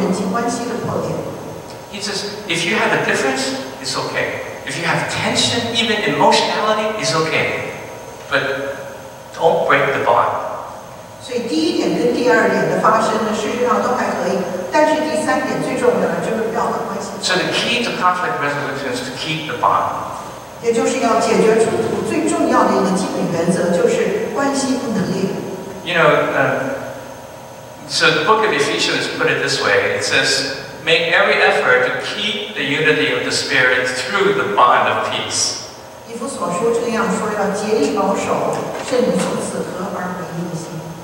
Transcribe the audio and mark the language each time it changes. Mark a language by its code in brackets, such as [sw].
[zh] 所以这个教导我们的那个心理老师跟我们说，最重要的呢就是冲突会造成人际关系的破裂。 [en] He says if you have a difference, it's okay. If you have tension, even emotionality, it's okay. But don't break the bond. [zh] 所以第一点跟第二点的发生呢，事实上都还可以，但是第三点最重要的就是不要把关系。 [en] So the key to conflict resolution is to keep the bond. [zh] 也就是要解决冲突最重要的一个基本原则，就是关系不能裂。 [en] You know, so the book of Ephesians put it this way. It says, make every effort to keep the unity of the Spirit through the bond of peace. [zh] 以弗所书这样说，要竭力保守，圣灵所赐合而为一的心。